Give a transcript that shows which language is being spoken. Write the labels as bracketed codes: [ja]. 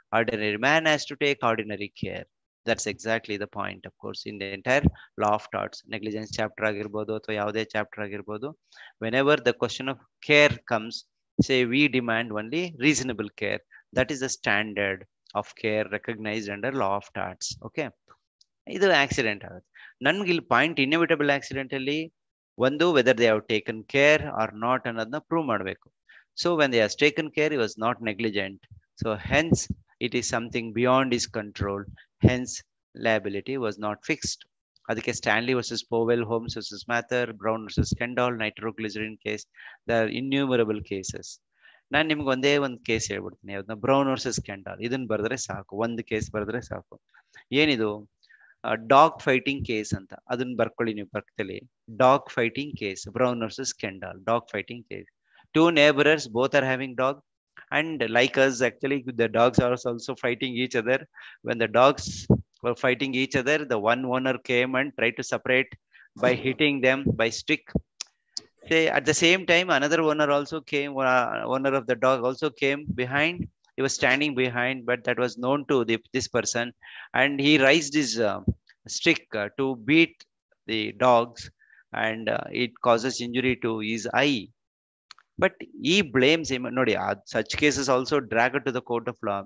[en] Ordinary man has to take ordinary care. That's exactly the point, of course, in the entire law of torts, negligence chapter [kn] agirbodo athwa yavade chapter agirbodo. [en] Whenever the question of care comes, say we demand only reasonable care. That is the standard of care recognized under law of torts. [kn] Okay. Idu accident agutte. Nanage illi [en] point inevitable accident [kn] alli ಒಂದು [en] whether they have taken care or not [kn] ಅನ್ನೋದನ್ನ prove ಮಾಡಬೇಕು. [en] So when they has taken care, he was not negligent. So hence it is something beyond his control, hence liability was not fixed. ಅದಕ್ಕೆ Stanley versus Powell, Holmes versus Mather, Brown versus Kendall, nitroglycerine case, the innumerable cases. [kn] ನಾನು ನಿಮ್ಗೆ ಒಂದೇ ಒಂದು case ಹೇಳ್ಬಿಡ್ತೀನಿ, ಯಾವ್ದನ್ನ brown versus ಕೆಂಡಾಲ್. ಇದನ್ನ ಬರೆದ್ರೆ ಸಾಕು, ಒಂದು ಕೇಸ್ ಬರೆದ್ರೆ ಸಾಕು. ಏನಿದು? ಡಾಗ್ ಫೈಟಿಂಗ್ ಕೇಸ್ ಅಂತ. ಅದನ್ನ ಬರ್ಕೊಳ್ಳಿ ನೀವು ಪಕ್ಕದಲ್ಲಿ. Dog fighting case, brown versus ಕೆಂಡಾಲ್, dog fighting case. [en] Two neighbours, both are having dog, and like as actually the dogs are also fighting each other. When the dogs were fighting each other, the one owner came and try to separate by hitting them by stick. Say at the same time another owner also came, owner of the dog also came behind. He was standing behind, but that was known to this person, and he raised his stick to beat the dogs, and it causes injury to his eye. But he blames him. No, such cases also drag to the court of law.